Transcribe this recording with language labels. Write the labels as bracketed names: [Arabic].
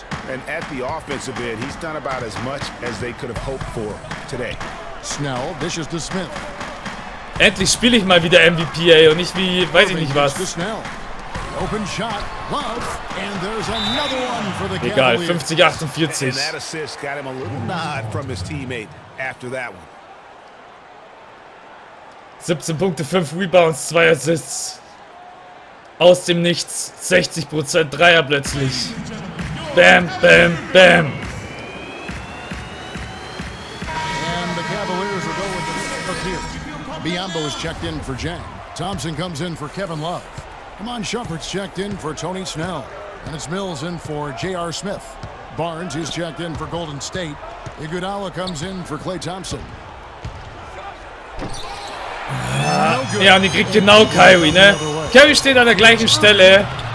[English] And at the offensive end, he's done about as much as they could have hoped for today. Snell dishes to Smith. [German] Endlich spiele ich mal wieder MVP, ey, und nicht wie, weiß ich nicht was. [English] Open shot, Love, and there's another one for the Cavaliers. [German] Egal, 50-48. [English] And that assist got him a little nod from his teammate after that one. [German] 17 Punkte, 5 Rebounds, 2 Assists. Aus dem Nichts, 60% Dreier plötzlich. Bam, bam, bam. [English] And the Cavaliers will go with the pick here. Biombo is checked in for Jang. Thompson comes in for Kevin Love. Come on, Shumpert's checked in for Tony Snell. And it's Mills in for J.R. Smith. Barnes is checked in for Golden State. Iguodala comes in for Klay Thompson. [German] Ja, und die kriegt genau Kyrie, ne? Kyrie steht an der gleichen Stelle.